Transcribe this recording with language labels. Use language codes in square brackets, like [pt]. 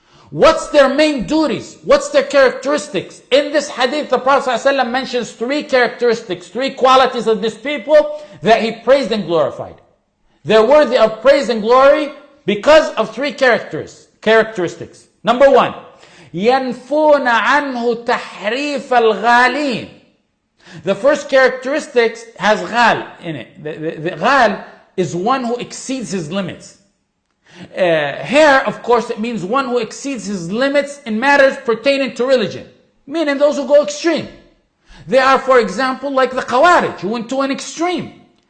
[en] What's their main duties? What's their characteristics? In this hadith, the Prophet sallallahu alaihi wasallam mentions three characteristics, three qualities of this people that he praised and glorified. They're worthy of praise and glory because of three characteristics. Number one, [ar] يَنْفُونَ عَنْهُ تَحْرِيفَ الْغَالِينَ. [en] The first characteristic has غال in it. The غال is one who exceeds his limits. Here, of course, it means one who exceeds his limits in matters pertaining to religion. Meaning those who go extreme. They are, for example, like the Khawarij, who went to an extreme.